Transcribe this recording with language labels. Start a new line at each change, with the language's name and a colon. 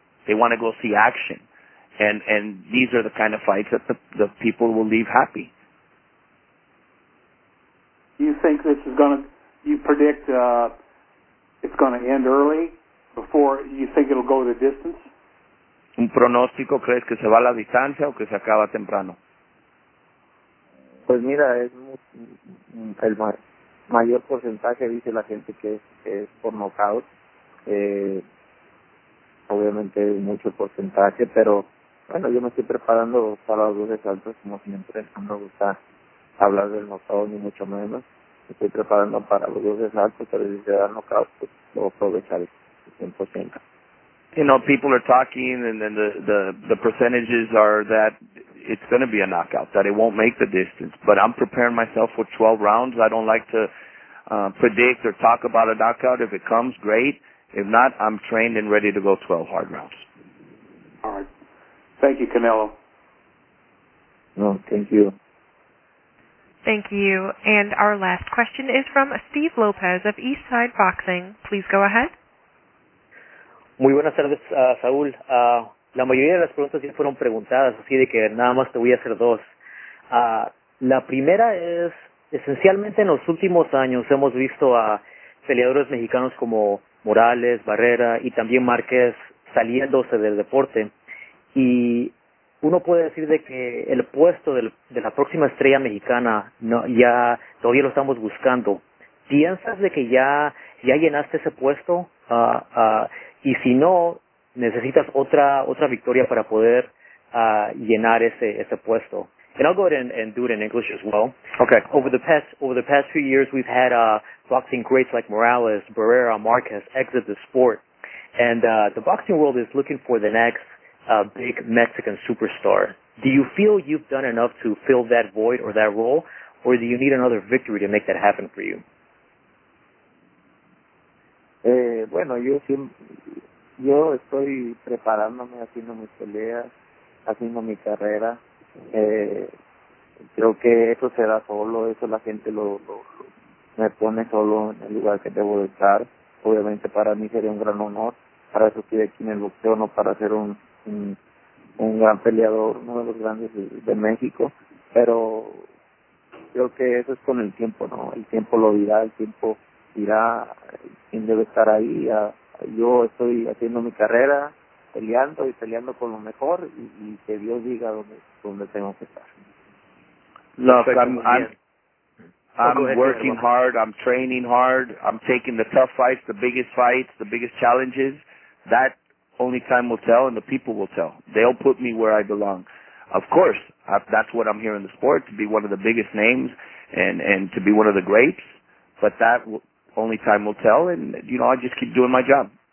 English: They want to go see action. And these are the kind of fights that the people will leave happy. Do you think this is going to, you predict it's going to end early before, you think it'll go the distance?
Spanish: ¿Un pronóstico, crees que se va a la distancia o que se acaba temprano? Pues mira, es el mayor porcentaje, dice la gente, que es por knockout. Obviamente es mucho porcentaje, pero bueno, yo me estoy preparando para los dos asaltos, como siempre. No me gusta hablar del knockout, ni mucho menos. Me estoy preparando para los dos asaltos, pero si se da knockout, pues lo aprovecharé 100%.
English: You know, people are talking, and then the percentages are that it's going to be a knockout, that it won't make the distance. But I'm preparing myself for 12 rounds. I don't like to predict or talk about a knockout. If it comes, great. If not, I'm trained and ready to go 12 hard rounds. All right. Thank you, Canelo. No, thank you. Thank you. And our last question is from Steve Lopez of Eastside Boxing. Please go ahead.
Spanish: Muy buenas tardes, Saúl. La mayoría de las preguntas ya fueron preguntadas, así de que nada más te voy a hacer dos. La primera es, esencialmente en los últimos años hemos visto a peleadores mexicanos como Morales, Barrera y también Márquez saliéndose del deporte. Y uno puede decir de que el puesto de la próxima estrella mexicana no, ya todavía lo estamos buscando. ¿Piensas de que ya llenaste ese puesto? Y si no, necesitas otra victoria para poder llenar ese puesto.
English: And I'll go ahead and do it in English as well. Okay. Over the past few years, we've had boxing greats like Morales, Barrera, Marquez exit the sport. And the boxing world is looking for the next big Mexican superstar. Do you feel you've done enough to fill that void or that role? Or do you need another victory to make that happen for you?
Spanish: Bueno, yo estoy preparándome, haciendo mis peleas, haciendo mi carrera. Creo que eso será solo, eso la gente lo me pone solo en el lugar que debo estar. Obviamente para mí sería un gran honor, para eso estoy aquí en el boxeo, no para ser un gran peleador, uno de los grandes de México. Pero creo que eso es con el tiempo, ¿no? El tiempo lo dirá, el tiempo irá, quien debe estar ahí. Yo estoy haciendo mi carrera, peleando y peleando con lo mejor, y que Dios diga dónde tengo que estar.
English: Look, I'm working hard, I'm training hard, I'm taking the tough fights, the biggest challenges. That only time will tell, and the people will tell. They'll put me where I belong. Of course, that's what I'm here in the sport, to be one of the biggest names and to be one of the greats, but that only time will tell, and you know, I just keep doing my job.